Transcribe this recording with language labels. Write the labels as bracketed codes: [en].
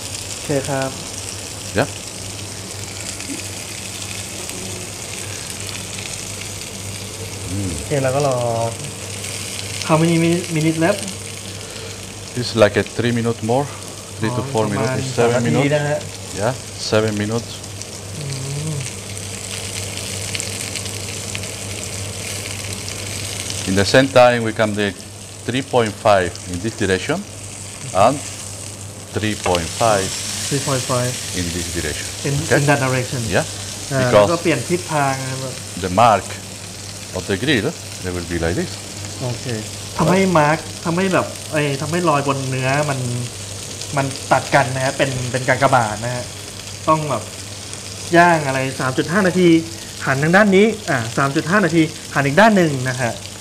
[th] โอเคครับ เดี๋ยว โอเคแล้วก็รอเขาไม่มีมินิทแล้ว [en] It's like a 3 minutes more 3 to 4 minutes 7 minutes Yeah 7 minutes In the same time we can make 3.5 in this direction and 3.5 3.5 in this direction. In that direction. Yeah. Because [th] ก็เปลี่ยนทิศทาง [en] The mark of the grill, they will be like this. Okay. [th] ทำให้มาร์คทำให้แบบไอ้ทำให้รอยบนเนื้อมันตัดกันนะฮะเป็นกากบาทนะฮะต้องแบบย่างอะไร 3.5 นาทีหันทางด้านนี้3.5 นาทีหันอีกด้านหนึ่งนะฮะ